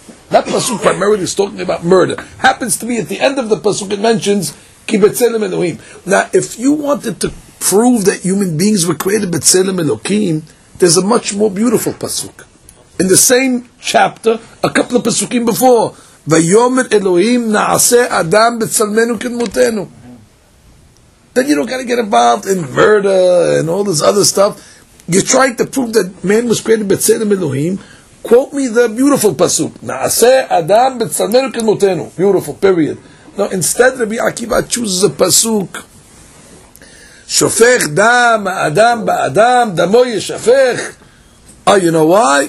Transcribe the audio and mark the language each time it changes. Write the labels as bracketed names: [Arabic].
[English] That pasuk primarily is talking about murder. Happens to be at the end of the pasuk, it mentions ki betzelem Elohim. Now, if you wanted to prove that human beings were created betzelem Elohim, there's a much more beautiful pasuk. In the same chapter, a couple of pasukim before, [Hebrew] ויאמר אלוהים נעשה אדם בצלמנו כדמותנו. [English] Then you don't gotta get involved in Verda and all this other stuff. You're trying to prove that man was created b'tzelem Elohim. Quote me the beautiful pasuk. [Hebrew] Na'aseh Adam b'tzalmenu k'dmotenu. [English] Beautiful, period. No, instead Rabbi Akiva chooses a pasuk. [Hebrew] Shofech dam Adam ba'adam damo yishafech. [English] Oh, you know why?